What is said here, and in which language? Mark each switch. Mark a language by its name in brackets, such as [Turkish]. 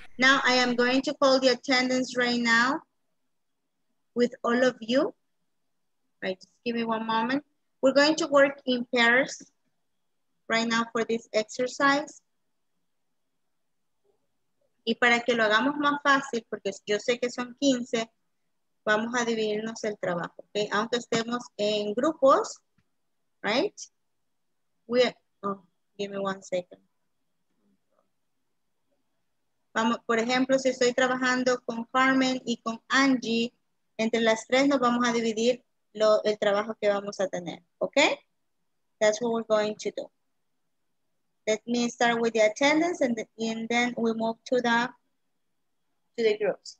[English] Now I am going to call the attendance right now with all of you. Right, just give me one moment. We're going to work in pairs right now for this exercise. [Spanish] Y para que lo hagamos más fácil, porque yo sé que son 15, vamos a dividirnos el trabajo, okay? Aunque estemos en grupos, right? [English] Give me one second. [Spanish] Vamos, por ejemplo, si estoy trabajando con Carmen y con Angie, entre las tres nos vamos a dividir el trabajo que vamos a tener, okay? [English] That's what we're going to do. Let me start with the attendance and then we move to the groups.